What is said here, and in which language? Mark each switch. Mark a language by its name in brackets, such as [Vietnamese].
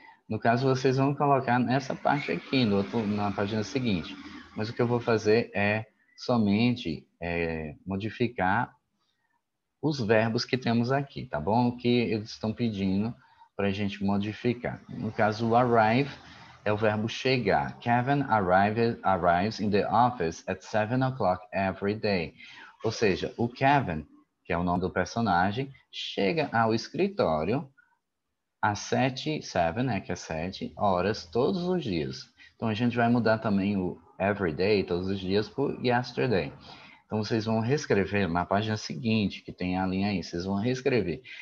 [Portuguese] No caso, vocês vão colocar nessa parte aqui, no outro, na página seguinte. Mas o que eu vou fazer é somente modificar os verbos que temos aqui, tá bom? O que eles estão pedindo para a gente modificar. No caso, o arrive é o verbo chegar. [English] Kevin arrives in the office at 7 o'clock every day. [Portuguese] Ou seja, o Kevin, que é o nome do personagem, chega ao escritório às 7, 7, né, que é 7 horas todos os dias. Então, a gente vai mudar também o every day, todos os dias, por yesterday. Então, vocês vão reescrever na página seguinte, que tem a linha aí. Vocês vão reescrever.